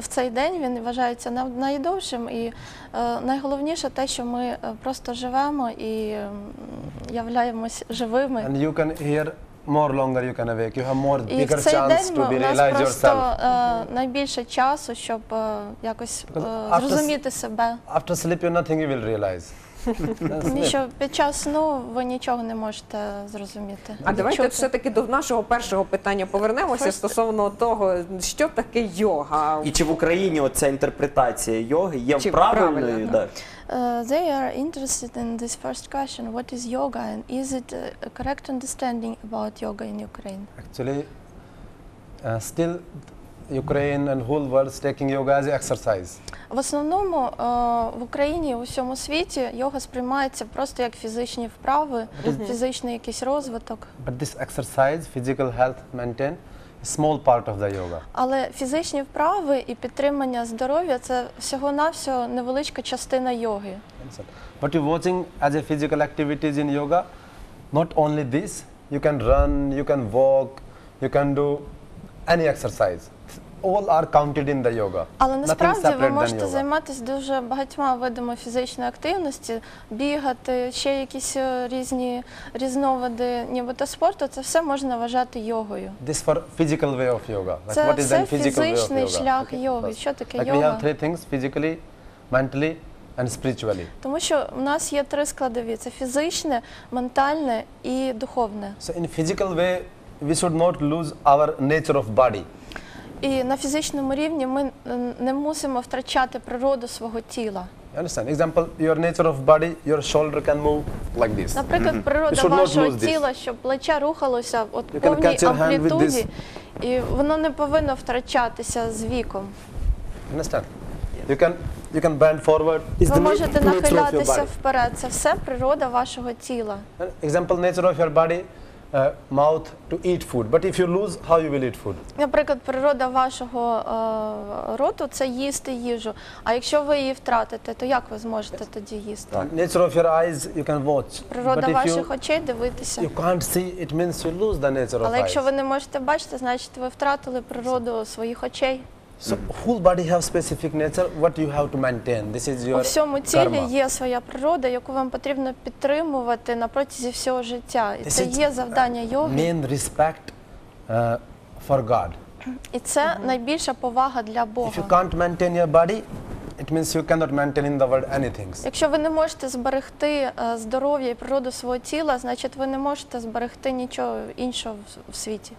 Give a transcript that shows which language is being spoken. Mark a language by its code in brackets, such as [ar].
[uk] В цей день він вважається найдовшим. І найголовніше те, що ми просто живемо і являємось живими. [en] And you can hear more longer you can awake. You have more bigger chance to be realize yourself. [uk] І в цей день у найбільше часу, щоб якось зрозуміти себе. [en] After sleep you nothing you will realize. [uk] Тому що під час сну ви нічого не можете зрозуміти. А давайте все-таки до нашого першого питання повернемося стосовно того, що таке йога. І чи в Україні оця інтерпретація йоги є правильною? [en] They are interested in this first question. What is yoga and is it a correct understanding about yoga in Ukraine? Actually, still Ukraine and whole world is taking yoga as exercise. [uk] В основному в Україні і у всьому світі йога сприймається просто як фізичні вправи, фізичний якийсь розвиток. [en] But this exercise, physical health maintain, is small part of the yoga. [uk] Але фізичні вправи і підтримання здоров'я – це всього-навсього невеличка частина йоги. [en] But you're watching as a physical activities in yoga, not only this, you can run, you can walk, you can do any exercise. All are counted in the yoga. [uk] Але насправді ви можете займатися дуже багатьма видами фізичної активності, бігати, ще якісь різні різновиди, нібито спорту, це все можна вважати йогою. [en] This for physical way of yoga. Like [uk] це [en] what is [uk] все фізичний шлях okay. йоги. Що таке [en] like [uk] йога? [en] We have three things: physically, mentally and spiritually. [uk] Тому що в нас є три складові: це фізичне, ментальне і духовне. [en] So in physical way we should not lose our nature of body. [uk] І на фізичному рівні ми не мусимо втрачати природу свого тіла. [en] You understand? Example, your nature of body, your shoulder can move like this. [uk] Наприклад, природа mm-hmm. вашого тіла, щоб плече рухалося в повній амплітуді, і воно не повинно втрачатися з віком. [en] You understand? You can bend forward. [uk] Ви можете нахилятися вперед. Це все природа вашого тіла. [en] Example, nature of your body. Mouth to eat food, but if you lose, how you will eat food? [uk] Наприклад, природа вашого роту – це їсти їжу. А якщо ви її втратите, то як ви зможете тоді їсти? [en] Nature of your eyes, you can watch. [uk] Природа ваших очей – дивитися. [en] You can't see, it means you lose the nature of eyes. [uk] Але якщо ви не можете бачити, значить ви втратили природу своїх очей. [en] So whole body have specific nature, what you have to maintain. This is your karma. [uk] У всьому тілі є своя природа, яку вам потрібно підтримувати на протязі всього життя. І це є завдання йоги. [en] This is main respect for God. [uk] І це найбільша повага для Бога. [en] If you can't maintain your body, it means you cannot maintain in the world anything. [uk] Якщо ви не можете зберегти здоров'я і природу свого тіла, значить ви не можете зберегти нічого іншого в світі.